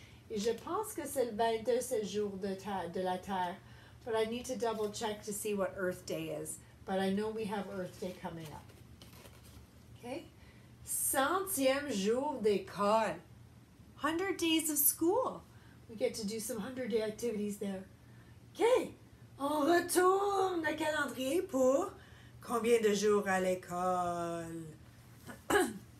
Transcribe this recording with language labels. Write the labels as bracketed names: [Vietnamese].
[French] Et je pense que c'est le 22 jours de la Terre. [English] But I need to double check to see what Earth Day is. But I know we have Earth Day coming up. Okay. [French] Centième jour d'école. [English] 100 days of school. We get to do some 100 day activities there. OK. [French] On retourne le calendrier pour combien de jours à l'école?